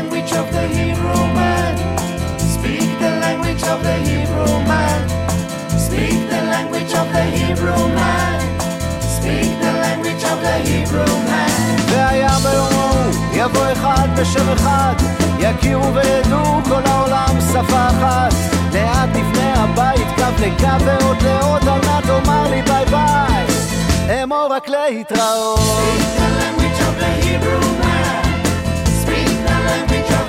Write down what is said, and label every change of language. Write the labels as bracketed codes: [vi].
[en] Of the Hebrew man, speak the language of the Hebrew man, speak the language of the Hebrew man, speak the language of the Hebrew man. [he] והיה ביומו יבוא אחד בשם אחד, יכירו וידעו כל העולם שפה אחת. לאט נבנה הבית קו לקו ועוד לעוד, על מה תאמר לי ביי ביי, אמור רק להתראות. [en] Speak the language of the Hebrew man, speak the language.